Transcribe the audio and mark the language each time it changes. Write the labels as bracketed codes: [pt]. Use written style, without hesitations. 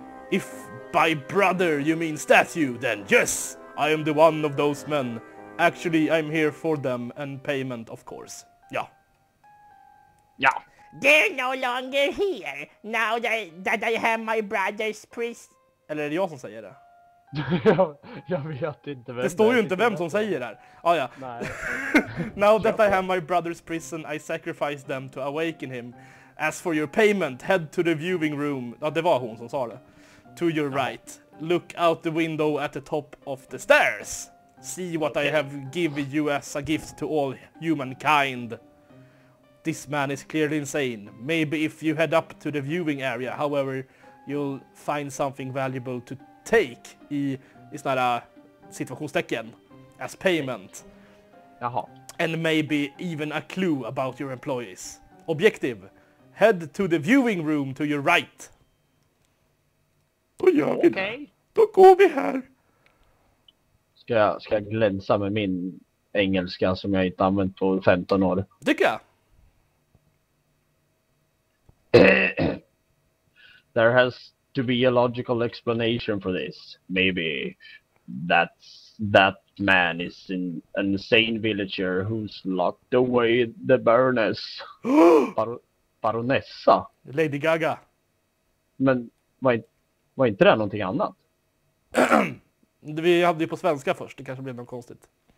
[en] If by brother you mean statue, then yes, I am the one of those men. Actually, I'm here for them and payment, of course. Yeah. Yeah. They're no longer here, now that I have my brother's priest. [sv] Eller är det jag som säger det? jag vet inte vem det står ju inte vem som säger det här. Ah, ja. Nej. [en] Now that I have my brother's prison, I sacrifice them to awaken him. As for your payment, head to the viewing room. [sv] Ja, det var hon som sa det. [en] To your right. Look out the window at the top of the stairs. See what I have given you as a gift to all humankind. This man is clearly insane. Maybe if you head up to the viewing area, however, you'll find something valuable to take [sv] i sån här situationstecken [en] as payment. [sv] Jaha. [en] And maybe even a clue about your employees. Objective. Head to the viewing room to your right. [sv] Då gör vi det. Då går vi här. Ska jag glänsa med min engelska som jag inte använt på 15 år? Tycker jag. [en] There has to be a logical explanation for this. Maybe that man is an insane villager who's locked away the baroness. [sv] Baronessa? Lady Gaga. Men var inte det någonting annat? Vi hade ju på svenska först, det kanske blev något konstigt.